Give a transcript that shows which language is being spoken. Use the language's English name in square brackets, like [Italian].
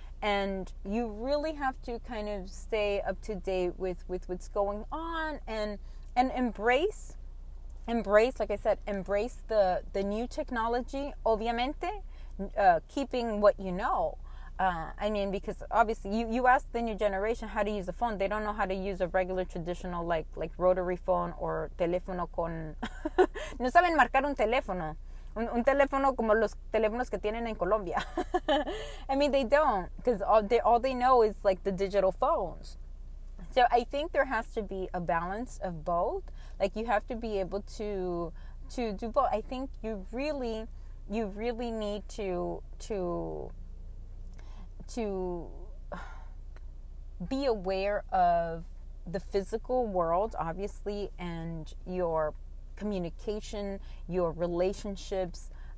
[English] And you really have to kind of stay up to date with what's going on and embrace the new technology, [Spanish] obviamente, [English] keeping what you know. Because obviously you ask the new generation how to use a phone. They don't know how to use a regular traditional like rotary phone or [Spanish] teléfono con... No saben marcar un teléfono. Un teléfono como los teléfonos que tienen en Colombia. [English] I mean, they don't, because all they know is like the digital phones. So I think there has to be a balance of both. Like, you have to be able to do both. I think you really need to be aware of the physical world, obviously, and your communication, your relationships.